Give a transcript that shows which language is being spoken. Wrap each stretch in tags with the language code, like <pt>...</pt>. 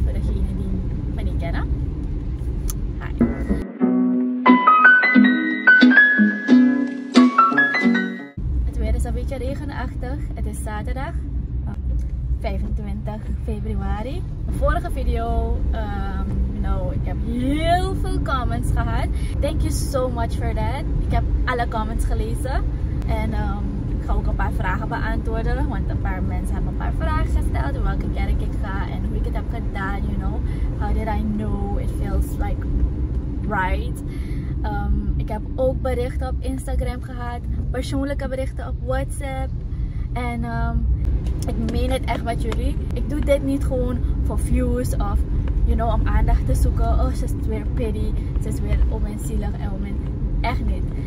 <en>For those who don't know me, hi.</en> <nl>Het weer is een beetje regenachtig. Het is zaterdag, 25 februari. Mijn vorige video, ik heb heel veel comments gehad.</nl> <en>Thank you so much for that.</en> <nl>Ik heb alle comments gelezen en ik ga ook een paar vragen beantwoorden, want een paar mensen hebben een paar vragen gesteld over welke kerk ik ga en hoe ik het heb gedaan, you know.</nl> <en>How did I know it feels like right?</en> <nl>Ik heb ook berichten op Instagram gehad, persoonlijke berichten op WhatsApp. En ik meen het echt met jullie. Ik doe dit niet gewoon voor views of, you know, om aandacht te zoeken. Oh, ze is weer pity, ze is weer onmenselijk en echt niet.</nl>